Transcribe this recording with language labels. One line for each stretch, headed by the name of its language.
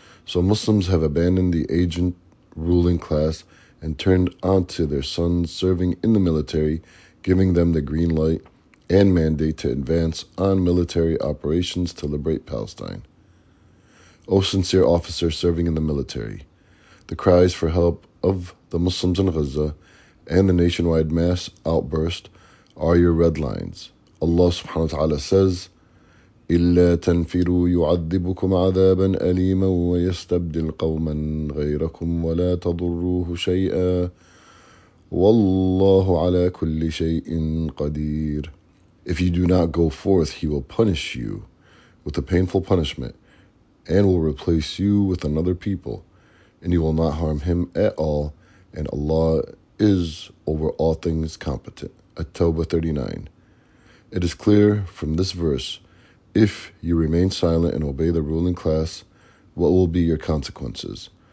English: So Muslims have abandoned the agent ruling class and turned onto their sons serving in the military, giving them the green light and mandate to advance on military operations to liberate Palestine. O sincere officer serving in the military, the cries for help of the Muslims in Gaza and the nationwide mass outburst are your red lines. Allah subhanahu wa ta'ala says,
Arabic: إِلَّا تَنْفِرُوا يُعَذِّبُكُمْ عَذَابًا أَلِيمًا وَيَسْتَبْدِلْ قَوْمًا غَيْرَكُمْ وَلَا تَضُرُّوهُ شَيْئًا وَاللَّهُ عَلَى كُلِّ شَيْءٍ قَدِيرٌ.
English: If you do not go forth, he will punish you with a painful punishment and will replace you with another people, and you will not harm him at all, and Allah is over all things competent. At-Tawbah 39. It is clear from this verse, if you remain silent and obey the ruling class, what will be your consequences?